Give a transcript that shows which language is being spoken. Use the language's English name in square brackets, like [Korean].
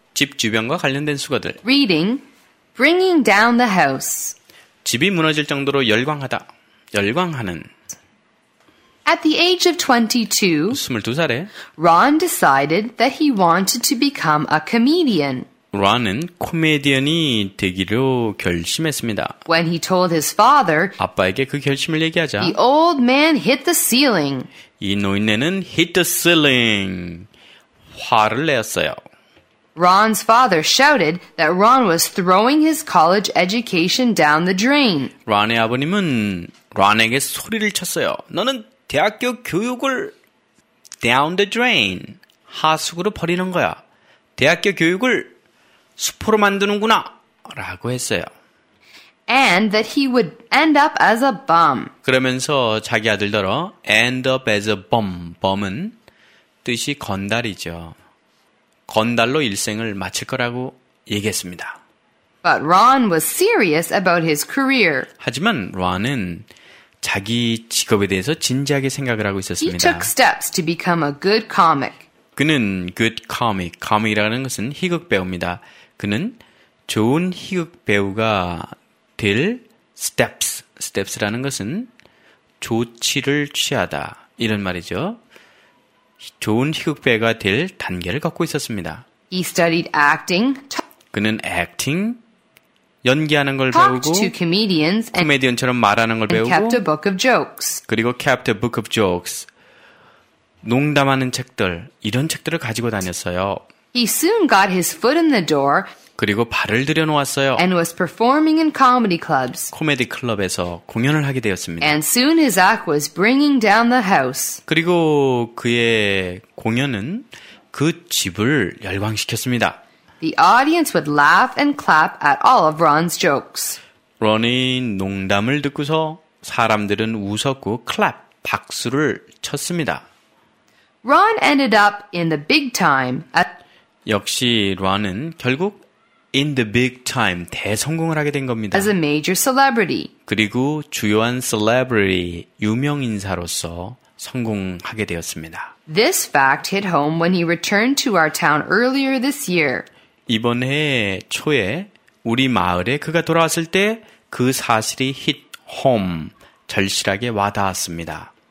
[Korean] 집 주변과 관련된 수거들. [English] Reading. Bringing down the house. [Korean] 집이 무너질 정도로 열광하다. 열광하는. [English] At the age of 22, [Korean] 22살에, [English] Ron decided that he wanted to become a comedian. [Korean] Ron은 코미디언이 되기로 결심했습니다. [English] When he told his father, [Korean] 아빠에게 그 결심을 얘기하자, [English] the old man hit the ceiling. [Korean] 이 노인네는 [English] hit the ceiling. [Korean] 화를 내었어요. [English] Ron's father shouted that Ron was throwing his college education down the drain. [Korean] Ron의 아버님은 Ron에게 소리를 쳤어요. 너는 대학교 교육을 [English] down the drain, [Korean] 하수구로 버리는 거야. 대학교 교육을 수포로 만드는구나, 라고 했어요. [English] And that he would end up as a bum. [Korean] 그러면서 자기 아들더러 [English] end up as a bum, bum [Korean] 은 뜻이 건달이죠. 건달로 일생을 마칠 거라고 얘기했습니다. [English] But Ron was serious about his career. [Korean] 하지만 Ron은 자기 직업에 대해서 진지하게 생각을 하고 있었습니다. [English] He took steps to become a good comic. [Korean] 그는 [English] good comic, comic [Korean] 이라는 것은 희극 배우입니다. 그는 좋은 희극 배우가 될 [English] steps, steps [Korean] 라는 것은 조치를 취하다, 이런 말이죠. 좋은 희극 배우가 될 단계를 걷고 있었습니다. [English] He studied acting. [Korean] 그는 acting, 연기하는 걸 배우고, [English] to comedians, [Korean] 코미디언처럼 말하는 걸 배우고, [English] kept a book of jokes. [Korean] 그리고 [English] kept a book of jokes, [Korean] 농담하는 책들, 이런 책들을 가지고 다녔어요. [English] He soon got his foot in the door. [Korean] 그리고 발을 들여놓았어요. [English] And was performing in comedy clubs. [Korean] 코미디 클럽에서 공연을 하게 되었습니다. [English] And soon his act was bringing down the house. [Korean] 그리고 그의 공연은 그 집을 열광시켰습니다. [English] The audience would laugh and clap at all of Ron's jokes. [Korean] 론의 농담을 듣고서 사람들은 웃었고 클랩, 박수를 쳤습니다. [English] Ron ended up in the big time. [Korean] 역시 Ron은 결국 [English] in the big time, [Korean] 대성공을 하게 된 겁니다. [English] As a major celebrity. [Korean] 그리고 주요한 celebrity, 유명인사로서 성공하게 되었습니다. [English] This fact hit home when he returned to our town earlier this year. [Korean] 이번 해 초에 우리 마을에 그가 돌아왔을 때 그 사실이 [English] hit home, [Korean] 절실하게 와닿았습니다.